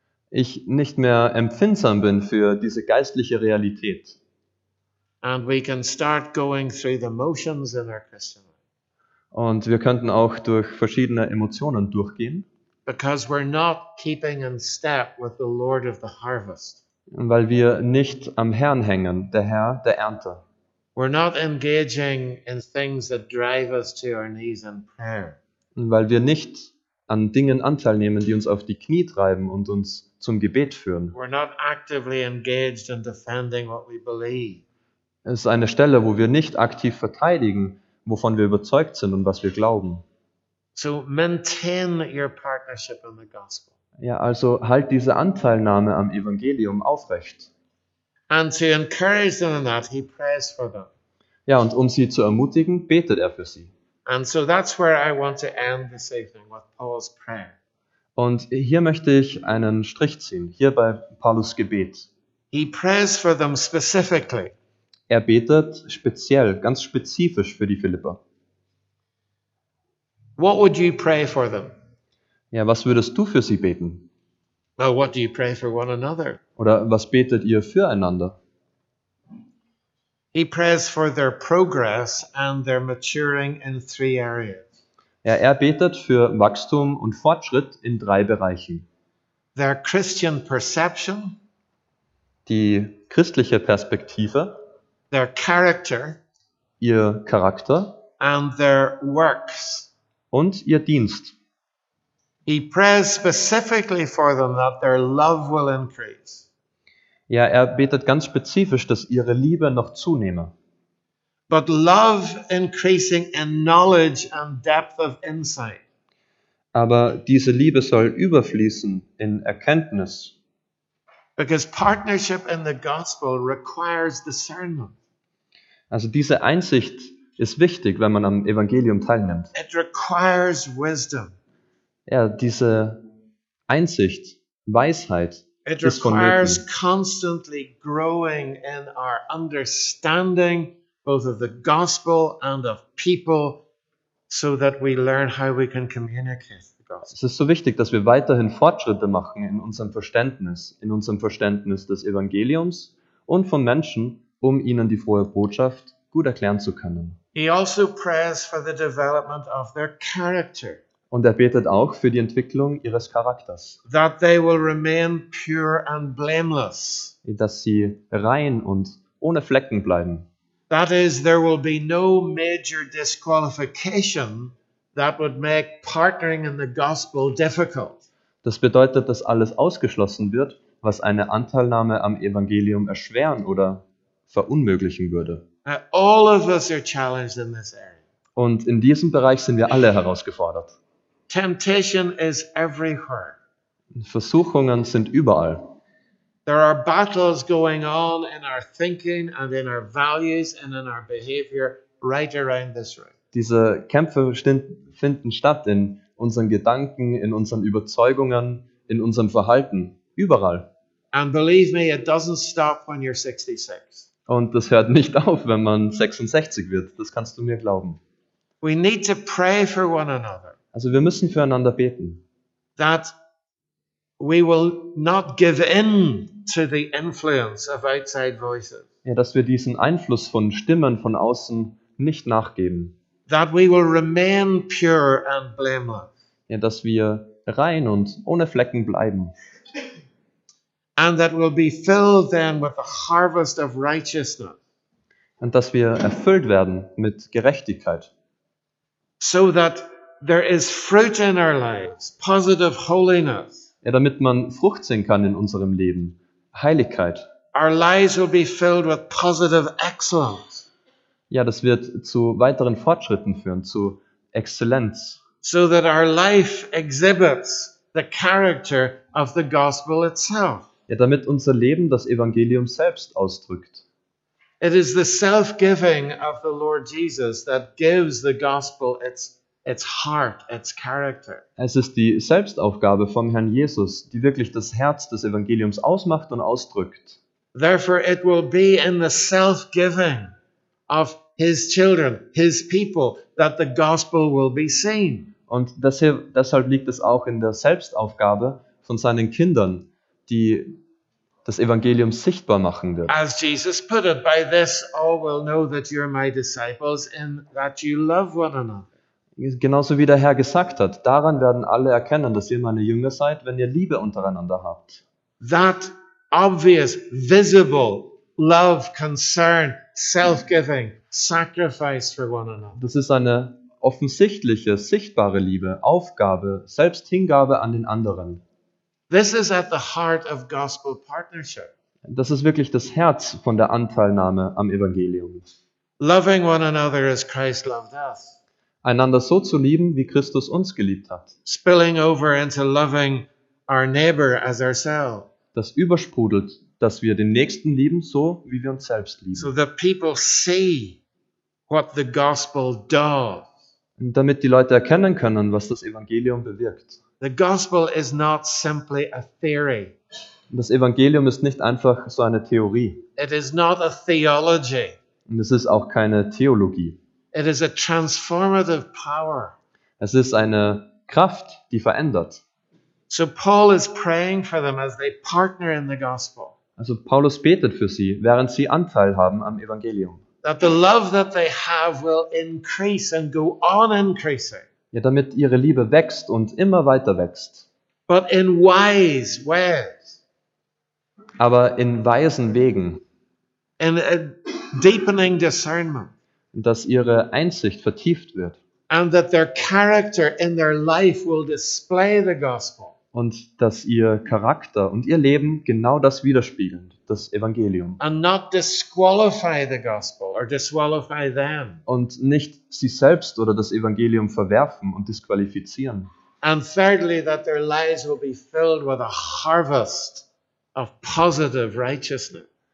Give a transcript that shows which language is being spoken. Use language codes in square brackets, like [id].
[de] Ich nicht mehr empfindsam bin für diese geistliche Realität. [en] And we can start going through the motions in our Christian life. [de] Und wir könnten auch durch verschiedene Emotionen durchgehen. [en] Because we're not keeping in step with the Lord of the harvest. [de] Weil wir nicht am Herrn hängen, der Herr der Ernte. [en] We're not engaging in things that drive us to our knees in prayer. [de] Weil wir nicht an Dingen Anteil nehmen, die uns auf die Knie treiben und uns zum Gebet führen. [en] We're not actively engaged in defending what we believe. [de] Es ist eine Stelle, wo wir nicht aktiv verteidigen, wovon wir überzeugt sind und was wir glauben. [en] So maintain your partnership in the gospel. [de] Ja, also halt diese Anteilnahme am Evangelium aufrecht. [en] And to encourage them in that, he prays for them. [de] Ja, und um sie zu ermutigen, betet er für sie. [en] And so that's where I want to end this evening with Paul's prayer. [de] Und hier möchte ich einen Strich ziehen, hier bei Paulus Gebet. [en] He prays for them specifically. [de] Er betet speziell, ganz spezifisch für die Philipper. [en] What would you pray for them? [de] Ja, was würdest du für sie beten? [en] Well, what do you pray for one another? [de] Oder was betet ihr füreinander? [en] He prays for their progress and their maturing in three areas. [de] Ja, er betet für Wachstum und Fortschritt in drei Bereichen. [en] Their Christian perception. [de] Die christliche Perspektive. [en] Their character. [de] Ihr Charakter. [en] And their works. [de] Und ihr Dienst. [en] He prays specifically for them that their love will increase. [de] Ja, er betet ganz spezifisch, dass ihre Liebe noch zunehme. [en] But love increasing in knowledge and depth of insight. [de] Aber diese Liebe soll überfließen in Erkenntnis. [en] Because partnership in the gospel requires discernment. [de] Also diese Einsicht ist wichtig, wenn man am Evangelium teilnimmt. [en] It requires wisdom. [de] Ja, diese Einsicht, Weisheit ist vonnöten. [en] It requires constantly growing in our understanding both of the gospel and of people so that we learn how we can communicate the gospel. [de] Es ist so wichtig, dass wir weiterhin Fortschritte machen in unserem Verständnis des Evangeliums und von Menschen, um ihnen die frohe Botschaft gut erklären zu können. [en] He also prays for the development of their character. [de] Und er betet auch für die Entwicklung ihres Charakters. [en] That they will remain pure and blameless. [de] Dass sie rein und ohne Flecken bleiben. [en] That is, there will be no major disqualification that would make partnering in the gospel difficult. [de] Das bedeutet, dass alles ausgeschlossen wird, was eine Anteilnahme am Evangelium erschweren oder verunmöglichen würde. [en] All of us are challenged in this area. [de] Und in diesem Bereich sind wir alle herausgefordert. [en] Temptation is everywhere. [de] Versuchungen sind überall. [en] There are battles going on in our thinking and in our values and in our behavior right around this room. [de] Diese Kämpfe finden statt in unseren Gedanken, in unseren Überzeugungen, in unserem Verhalten, überall. [en] And believe me, it doesn't stop when you're 66. [de] Und das hört nicht auf, wenn man 66 wird. Das kannst du mir glauben. [en] We need to pray for one another. [de] Also wir müssen füreinander beten. [en] That we will not give in to the influence of outside voices. [de] Ja, dass wir diesen Einfluss von Stimmen von außen nicht nachgeben. [en] That we will remain pure and blameless. [de] Ja, dass wir rein und ohne Flecken bleiben. [en] And that we'll be filled then with the harvest of righteousness. [de] Und dass wir erfüllt werden mit Gerechtigkeit. [en] So that there is fruit in our lives, positive holiness. [de] Ja, damit man Frucht sehen kann in unserem Leben, Heiligkeit. [en] Our lives will be filled with positive excellence. [de] Ja, das wird zu weiteren Fortschritten führen, zu Exzellenz. [en] So that our life exhibits the character of the gospel itself. [de] Ja, damit unser Leben das Evangelium selbst ausdrückt. [en] It is the self-giving of the Lord Jesus that gives the gospel its heart, its character. [de] Es ist die Selbstaufgabe vom Herrn Jesus, die wirklich das Herz des Evangeliums ausmacht und ausdrückt. [en] Therefore it will be in the self-giving of his children, his people, that the gospel will be seen. [de] Und deshalb liegt es auch in der Selbstaufgabe von seinen Kindern, die das Evangelium sichtbar machen wird. [en] As Jesus put it, by this all will know that you are my disciples and that you love one another. [de] Genauso wie der Herr gesagt hat, daran werden alle erkennen, dass ihr meine Jünger seid, wenn ihr Liebe untereinander habt. [en] That obvious, visible love, concern, self-giving, sacrifice for one another. [de] Das ist eine offensichtliche, sichtbare Liebe, Aufgabe, Selbsthingabe an den anderen. [en] This is at the heart of gospel partnership. [de] Das ist wirklich das Herz von der Anteilnahme am Evangelium. [en] Loving one another as Christ loved us. [de] Einander so zu lieben, wie Christus uns geliebt hat. [en] Spilling over into loving our neighbor as ourselves. [de] Das übersprudelt, dass wir den Nächsten lieben, so wie wir uns selbst lieben. [en] So that people see what the gospel does. [de] Und damit die Leute erkennen können, was das Evangelium bewirkt. [en] The gospel is not simply a theory. [de] Das Evangelium ist nicht einfach so eine Theorie. [en] It is not a theology. [de] Und es ist auch keine Theologie. [en] It is a transformative power. [de] Es ist eine Kraft, die verändert. [en] So Paul is praying for them as they partner in the gospel. [de] Also Paulus betet für sie, während sie Anteil haben am Evangelium. [en] That the love that they have will increase and go on increasing. [de] Ja, damit ihre Liebe wächst und immer weiter wächst. [en] But in wise ways. [de] Aber in weisen Wegen. [en] In a deepening discernment. [de] Dass ihre Einsicht vertieft wird. [en] And that their character in their life will display the gospel. [de] Und dass ihr Charakter und ihr Leben genau das widerspiegeln, das Evangelium. [en] And not disqualify the gospel or disqualify them. [de] Und nicht sie selbst oder das Evangelium verwerfen und disqualifizieren. [en] And thirdly, that their lives will be filled with a harvest of positive righteousness.